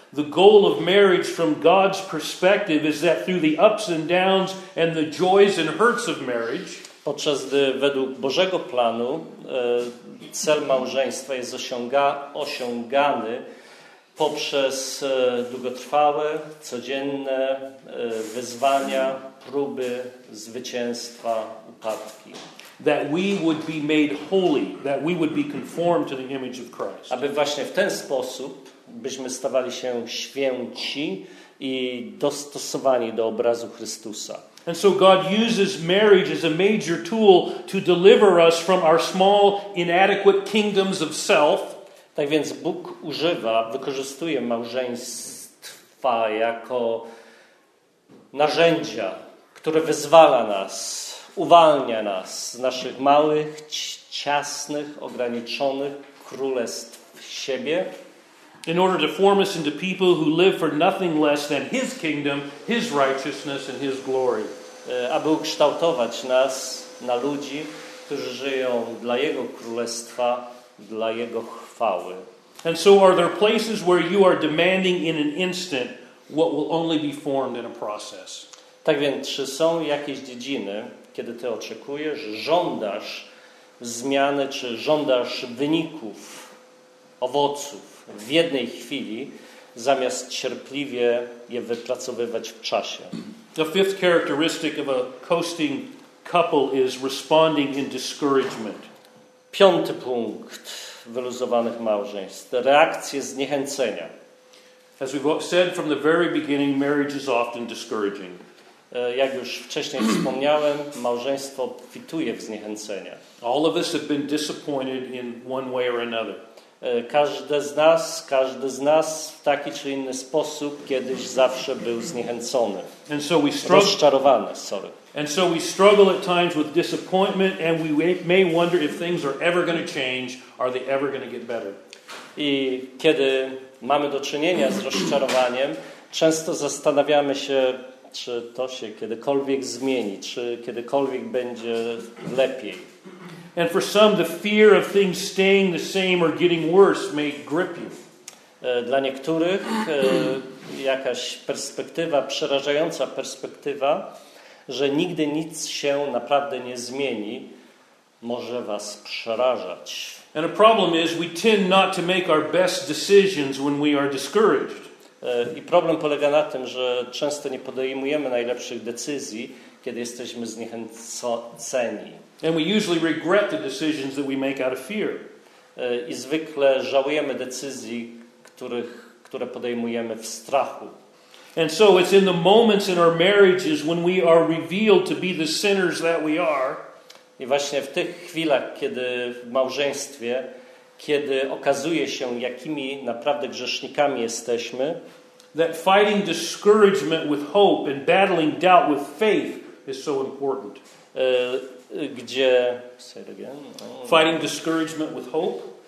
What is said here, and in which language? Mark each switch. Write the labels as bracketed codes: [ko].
[en] The goal of marriage from God's perspective is that through the ups and downs and the joys and hurts of marriage, [pl] podczas gdy według Bożego planu cel małżeństwa jest osiągany poprzez długotrwałe, codzienne wyzwania, próby, zwycięstwa, upadki. [en] That we would be made holy, that we would be conformed to the image of Christ. [pl] Aby właśnie w ten sposób byśmy stawali się święci i dostosowani do obrazu Chrystusa. [en] And so God uses marriage as a major tool to deliver us from our small, inadequate kingdoms of self. [pl] Tak więc Bóg używa, wykorzystuje małżeństwa jako narzędzia, które wyzwala nas, uwalnia nas z naszych małych, ciasnych, ograniczonych królestw w siebie. [en] In order to form us into people who live for nothing less than His kingdom, His righteousness and His glory. [pl] Aby ukształtować nas na ludzi, którzy żyją dla Jego królestwa, dla Jego chwały. [en] And so are there places where you are demanding in an instant what will only be formed in a process? [pl] Tak więc, czy są jakieś dziedziny, kiedy ty oczekujesz, żądasz zmiany, czy żądasz wyników, owoców w jednej chwili, zamiast cierpliwie je wypracowywać w czasie? [en] The fifth characteristic of a coasting couple is responding in discouragement. [pl] Piąty punkt wyluzowanych małżeństw. Reakcje zniechęcenia. [en] As we've said from the very beginning, marriage is often discouraging. [pl] Jak już wcześniej wspomniałem, małżeństwo obfituje w zniechęcenia. [en] All of us have been disappointed in one way or another. [pl] Każdy z nas w taki czy inny sposób kiedyś zawsze był zniechęcony. [en] And so we struggle, rozczarowany, sorry. And so we struggle at times with disappointment and we may wonder if things are ever going to change, are they ever going to get better. [pl] I kiedy mamy do czynienia z rozczarowaniem, często zastanawiamy się, czy to się kiedykolwiek zmieni, czy kiedykolwiek będzie lepiej. [en] And for some, the fear of things staying the same or getting worse may grip you. [pl] Dla niektórych jakaś perspektywa, przerażająca perspektywa, że nigdy nic się naprawdę nie zmieni, może was przerażać. [en] And a problem is we tend not to make our best decisions when we are discouraged. [pl] I problem polega na tym, że często nie podejmujemy najlepszych decyzji, kiedy jesteśmy zniechęceni. [en] And we usually regret the decisions that we make out of fear. [pl] I zwykle żałujemy decyzji, które podejmujemy w strachu. [en] And so it's in the moments in our marriages when we are revealed to be the sinners that we are. [pl] I właśnie w tych chwilach, kiedy w małżeństwie, kiedy okazuje się, jakimi naprawdę grzesznikami jesteśmy, [en] that fighting discouragement with hope and battling doubt with faith is so important. Gdzie, say it again. Fighting discouragement with hope.